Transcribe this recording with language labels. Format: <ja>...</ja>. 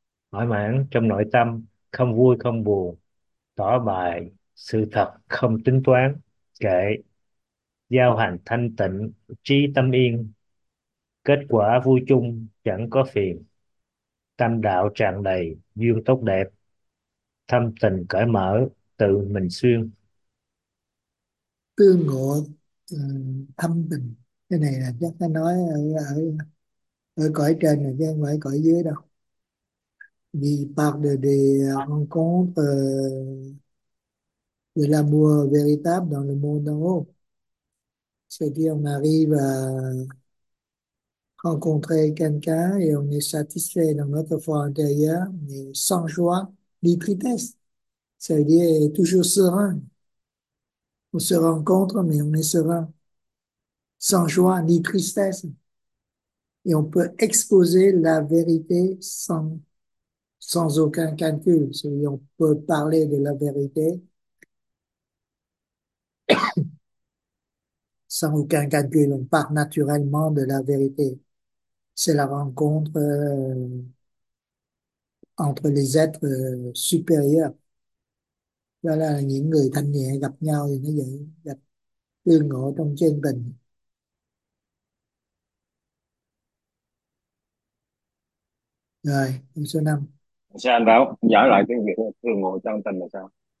<vi>thỏa mãn trong nội tâm, không vui không buồn, tỏ bày sự thật không tính toán, kệ, giao hành thanh tịnh, trí tâm yên, kết quả vui chung, chẳng có phiền, tâm đạo tràn đầy, duyên tốt đẹp, thâm tình cởi mở, tự mình xuyên. Tương ngộ thâm tình, cái này là chắc ta nói ở ở cõi trên rồi chứ không phải cõi dưới đâu.</vi> <fr>Vì part de rencontre de l'amour véritable dans le monde d'en haut, c'est-à-dire on arrive à rencontrer quelqu'un et on est satisfait dans notre foi intérieure, mais sans joie ni tristesse, c'est-à-dire toujours serein. On se rencontre, mais on est serein, sans joie ni tristesse. Et on peut exposer la vérité sans aucun calcul. Si on peut parler de la vérité sans aucun calcul, on part naturellement de la vérité. C'est la rencontre entre les êtres supérieurs.</fr> <vi>Đó là những người thanh nhẹ gặp nhau thì nó vậy, gặp tương ngộ trong chân tình. Rồi, số 5. Sao anh bảo giải lại cái việc thường ngồi trong tình là sao?</vi>